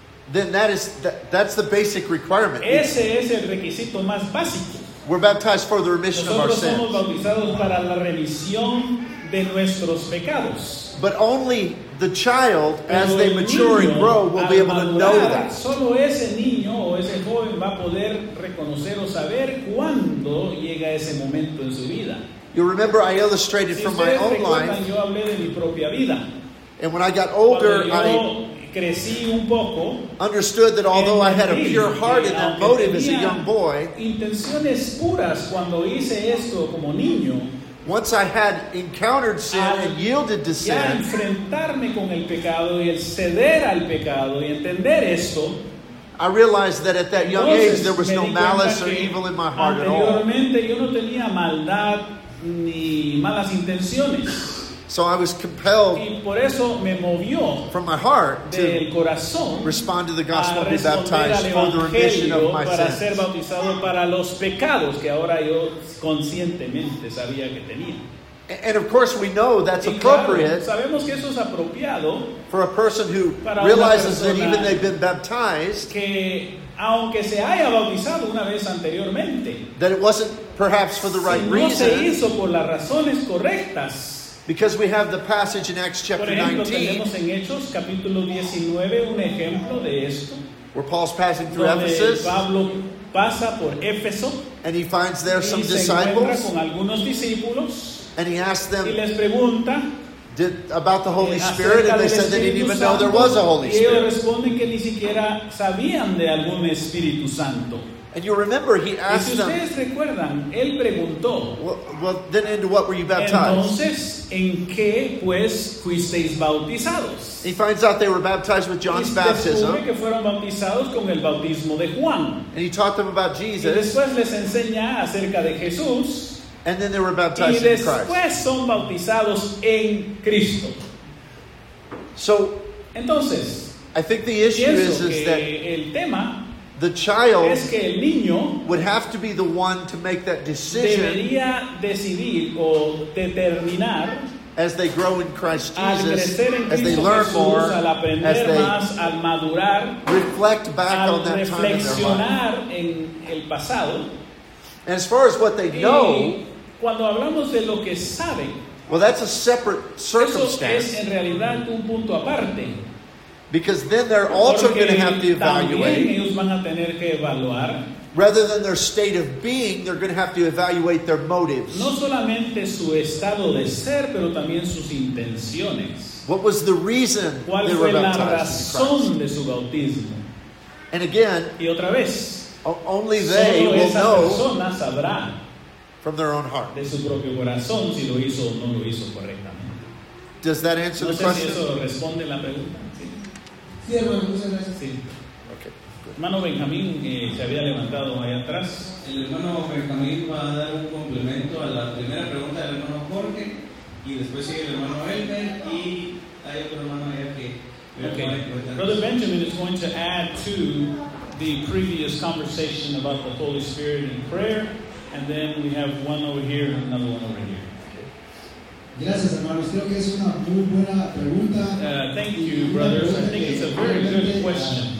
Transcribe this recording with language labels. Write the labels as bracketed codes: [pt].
[en] then that's the basic requirement. [es] Ese es el requisito más básico. [en] We're baptized for the remission [es] nosotros [en] of our [es] somos [en] sins. [es] Bautizados para la remisión de nuestros pecados. [en] But only the child, as they mature and grow, will be able to know that. [es] Solo ese niño o ese joven va a poder reconocer o saber cuándo llega ese momento en su vida. [en] You remember I illustrated [es] si [en] from my own life. [es] Yo hablé de mi propia vida. [en] And when I got older, [es] yo crecí un poco, [en] understood that although I had a pure heart and that motive as a young boy, [es] intenciones puras cuando hice esto como niño, [en] once I had encountered sin and yielded to sin, [es] ya enfrentarme con el pecado y el ceder al pecado y entender esto, [en] I realized that at that young age there was no malice or evil in my heart at all. [es] Anteriormente yo no tenía maldad ni malas intenciones. [en] So I was compelled, [es] y por eso me movió [en] from my heart, [es] del corazón, [en] to respond to the gospel, be baptized for the remission of my [es] para [en] sins. [es] Ser bautizado para los pecados que ahora yo conscientemente sabía que tenía. [en] And of course we know that's [es] y [en] appropriate, [es] claro, sabemos que eso es apropiado [en] for a person who realizes that even they've been baptized, [es] que aunque se haya bautizado una vez anteriormente, [en] that it wasn't perhaps for the right [es] si [en] reason, [es] no se hizo por las razones correctas. [en] Because we have the passage in Acts chapter 19. [es] Tenemos en Hechos capítulo 19 un ejemplo de esto. [en] Where Paul's passing through Ephesus. [es] Pablo pasa por Éfeso. [en] And he finds there some disciples. [es] Con algunos discípulos. [en] And he asks them. [es] Y les pregunta. [en] About the Holy Spirit. And they said they didn't even know there was a Holy Spirit. [es] Y ellos responden que ni siquiera sabían de algún Espíritu Santo. [en] And you remember, he asked them. [es] Y si ustedes recuerdan, él preguntó. [en] Well, then into what were you baptized? [es] Entonces, ¿en qué pues fuisteis bautizados? [en] He finds out they were baptized with John's baptism. [es] Y descubre que fueron bautizados con el bautismo de Juan. [en] And he taught them about Jesus. [es] Y después les enseña acerca de Jesús. [en] And then they were baptized in Christ. [es] Y después son bautizados en Cristo. [en] So, [es] entonces, [en] I think the issue is that [es] el tema, [en] the child [es] es que el niño [en] would have to be the one to make that decision. [es] Debería decidir o determinar [en] as they grow in Christ Jesus, [es] al crecer en Cristo [en] as they learn [es] Jesús, [en] more, [es] al aprender [en] as they [es] más, al madurar, [en] reflect back [es] al [en] on that time in their life. [es] Reflexionar en el pasado. [en] And as far as what they know, [es] cuando hablamos de lo que saben, [en] well, that's a separate circumstance. [es] Eso es en realidad un punto aparte. [en] Because then they're also going to have to evaluate. [es] Ellos van a tener que evaluar. [en] Rather than their state of being, they're going to have to evaluate their motives. [es] No solamente su estado de ser, pero también sus intenciones. [en] What was the reason they were baptized? [es] ¿Cuál fue la razón de su bautismo? [en] And again, [es] y otra vez, [en] only they will know [es] sabrá [en] from their own heart. [es] De su propio corazón, si lo hizo o no lo hizo correctamente. [en] Does that answer the question? [es] No sé si eso responde la pregunta. Sí, hermano, muchas gracias. Sí. Hermano Benjamín, se había levantado ahí atrás. El hermano Benjamín va a dar un complemento a la primera pregunta del hermano Jorge, y después sigue el hermano Elmer, y hay otro hermano allá que... [en] Okay. Brother Benjamin is going to add to the previous conversation about the Holy Spirit in prayer, and then we have one over here and another one over here. [es] Gracias, hermanos. Creo que es una muy buena pregunta. [en] Thank you, brothers. I think it's a very good question.